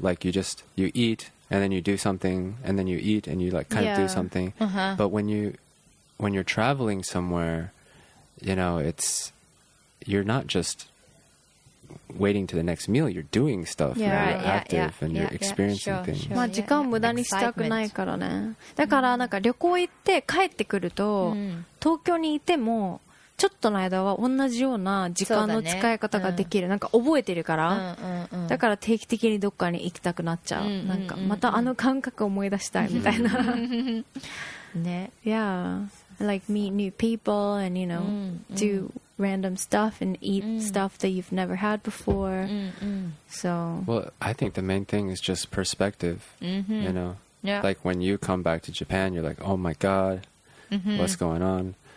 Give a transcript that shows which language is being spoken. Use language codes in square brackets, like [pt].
[en] Like you eat and then you do something and then you eat and you like kind of do something. Uh-huh. But when you're traveling somewhere, you know, you're not just waiting to the next meal, you're doing stuff. Yeah, you know, you're active and you're experiencing things. [ja] まあ時間を無駄にしたくないからね。だからなんか旅行行って帰ってくると、東京にいてもちょっとの間は同じような時間の使い方ができる、ね、なんか覚えてるから、だから定期的にどっかに行きたくなっちゃう、なんかまたあの感覚を思い出したいみたいなね、 [en] yeah, like meet new people and you know do random stuff and eat stuff that you've never had before, so well I think the main thing is just perspective, you know, yeah. like when you come back to Japan you're like oh my god, what's going on.